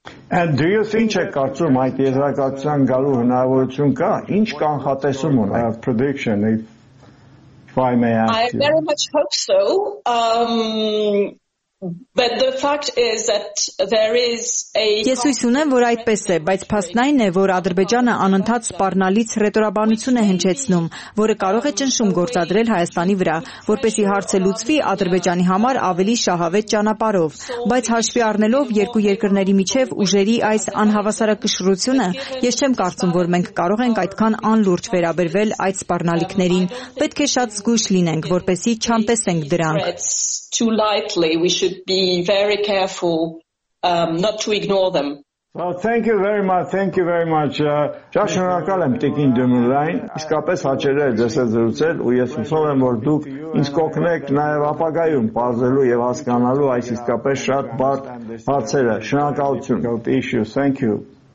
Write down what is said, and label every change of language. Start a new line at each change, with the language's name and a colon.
English: And do you think that Azerbaijan will have a solution? What is the prediction? if I may ask I very much hope so. But the fact is that there is a
Armenian: Ես հույս ունեմ, որ այդպես է, բայց փաստն այն է, որ Ադրբեջանը անընդհատ սպառնալից ռետորաբանություն է հնչեցնում, որը կարող է ճնշում գործադրել Հայաստանի վրա, որպեսզի հարցը լուծվի Ադրբեջանի համար ավելի շահավետ ճանապարով, բայց հաշվի առնելով երկու երկրների միջև ուժերի այս անհավասարակշռությունը, ես չեմ կարծում, որ մենք կարող ենք այդքան անլուրջ վերաբերվել այդ սպառնալիքներին, պետք է շատ զգույշ լինենք, որպեսզի չամտեսենք դրանք.
English: Too lightly, we should be very careful not to ignore them. Well, thank you very much. Thank you very much.
Armenian: Շնորհակալ եմ Տիկին Դեմուլային, իսկապես հաճելի դեսել զրուցել, ու ես հուսով եմ, որ դուք ինձ կօգնեք նաև ապագայում բարձելու եւ հասկանալու այս իսկապես շատ բարդ հարցերը. Շնորհակալություն.
English: Thank you.